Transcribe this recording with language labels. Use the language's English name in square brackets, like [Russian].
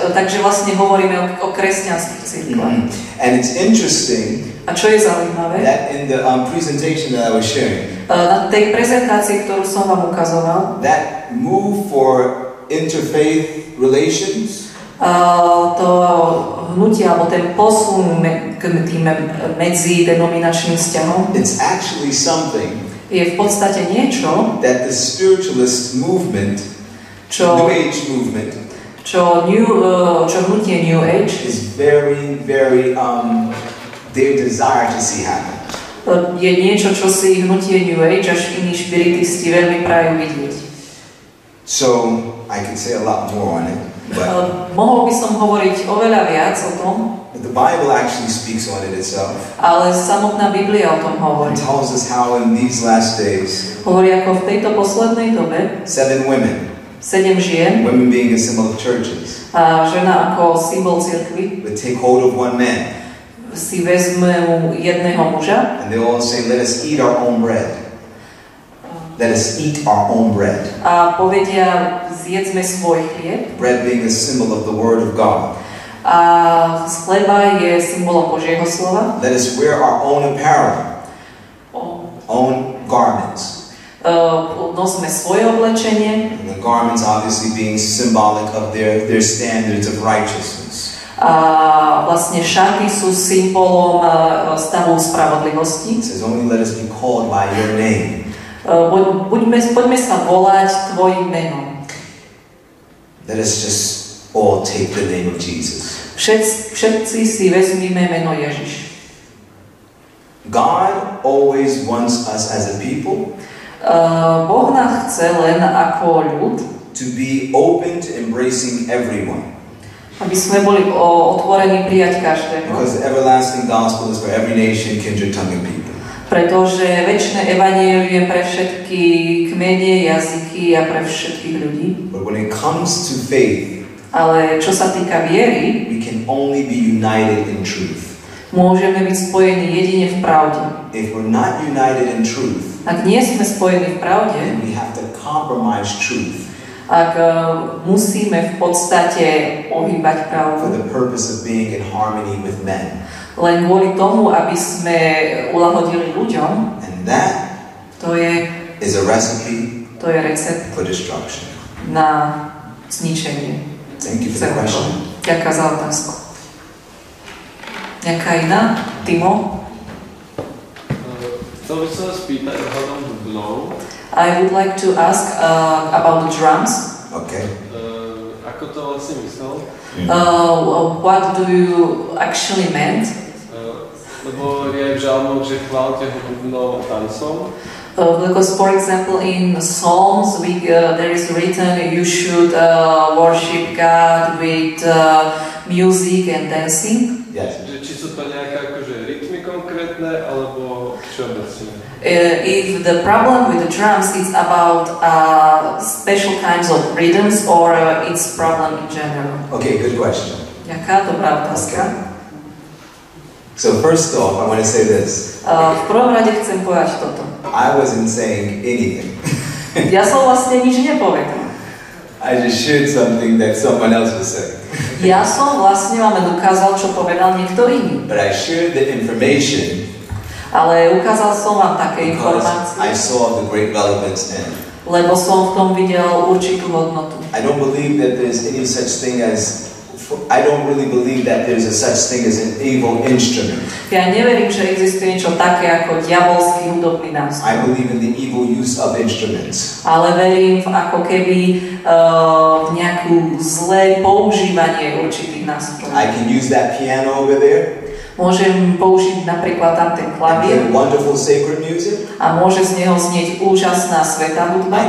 [Slovak] Takže vlastne hovoríme o kresťanských cirkvách. [English] And it's interesting. [Slovak] A čo je zaujímavé? [English] That in the presentation that I was sharing. [Slovak] Na tej prezentácii, ktorú som vám ukazoval. [English] That move for interfaith relations. [Slovak] To hnutie alebo ten posun medzi denominačným vzťahom. [English] It's actually something. [Slovak] Je v podstate niečo. [English] That the spiritualist movement. [Slovak] Čo [English] New Age movement. [Slovak] Čo hnutie New Age. [English] Is very, very their desire to see happen. [Slovak] Je niečo, čo si hnutie New Age až iní špiritisti veľmi prajú vidieť. [English] So, I can say a lot more on it, but [Slovak] mohol by som hovoriť oveľa viac o tom, [English] but the Bible actually speaks on it itself. [Slovak] Ale samotná Biblia o tom hovorí. [English] It tells us how in these last days, [Slovak] hovorí ako v tejto poslednej dobe, [English] seven women, [Slovak] sedem žien, [English] women being a symbol of churches, [Slovak] a žena ako symbol cirkvi, [English] would take hold of one man, [Slovak] si vezmu jedného muža. [English] And they all say, let us eat our own bread. Let us eat our own bread. [Slovak] A povedia, zjedzme svoj chlieb. [English] Bread being a symbol of the word of God. [Slovak] A chleba je symbolom Božieho slova. [English] Let us wear our own apparel. Oh. Own garments. [Slovak] nosme svoje oblečenie. [English] And the garments obviously being symbolic of their standards of righteousness. [Slovak] A vlastne šaty sú symbolom stavu spravodlivosti. [English] It says, only let us be called by your name. [Slovak] Poďme sa volať tvojim menom. [English] Let us just all take the name of Jesus. [Slovak] Všetci si vezmime meno Ježiš. [English] God always wants us as a people [Slovak] Boh nás chce len ako ľud [English] to be open to embracing everyone. [Slovak] Aby sme boli otvorení prijať každého. [English] Because the everlasting gospel is for every nation, kindred, tongue and people. [Slovak] Pretože večné evanjelium je pre všetky kmene, jazyky a pre všetkých ľudí. [English] But when it comes to faith, [Slovak] ale čo sa týka viery, [English] we can only be united in truth. [Slovak] Môžeme byť spojení jedine v pravde. [English] If we're not united in truth, [Slovak] ak nie sme spojení v pravde, [English] then we have to compromise truth. [Slovak] Ak musíme v podstate ohýbať pravdu. [English] For the purpose of being in harmony with men. [Slovak] Len kvôli tomu, aby sme ulahodili ľuďom. [English] And that is a recipe for destruction. [Slovak] Na zničenie. [English] Thank you for the question. [Slovak] Ďakujem za otázku. Nejaká iná? Timo? To by sa spýtať ohľadom dublov. [English] I would like to ask about the drums. Okay. [Slovak] Ako to vlastne myslel? [English] What do you actually meant? [Slovak] Lebo je v žalmu, že chváľte ho bubnom a tancom. [English] Because, for example, in Psalms, there is written you should worship God with music and dancing. Yes. [Slovak] Či sú to nejaké akože rytmy konkrétne, alebo čo myslím? [English] If the problem with the drums is about special kinds of rhythms or its problem in general. Okay, good question. [Slovak] Jaká dobrá otázka? [English] So first off, I want to say this. [Slovak] V prvom rade chcem povedať toto. [English] I wasn't saying anything. [Slovak] Ja som vlastne nič nepovedal. [English] I just shared something that someone else was saying. [Slovak] Ja som vlastne vám ukázal, čo povedal niekto iný. [English] But I shared the information. [Slovak] Ale ukázal som vám také informácie. [English] I saw the great relevance in. [Slovak] Lebo som v tom videl určitú hodnotu. [English] I don't believe that there's any such thing as I don't really believe that there's a such thing as an evil instrument. [Slovak] Ja neverím, že existuje niečo také ako diabolský hudobný nástroj. [English] I believe in the evil use of instruments. [Slovak] Ale verím v ako keby v nejakú zlé používanie určitých nástrojov. [English] I can use that piano over there. [Slovak] Môžem použiť napríklad tam ten klavír. [English] And wonderful sacred music. [Slovak] A môže z neho znieť úžasná svätá hudba.